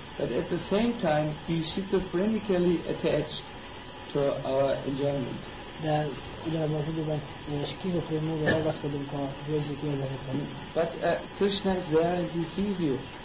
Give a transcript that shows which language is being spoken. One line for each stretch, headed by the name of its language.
English: But at the same time, we schizophrenically attach to our enjoyment.
Hungarian: De ugyanabban az időben skizofrén módon ragaszkodunk a érzék érzeketben.
English: But Krishna is there and he sees you.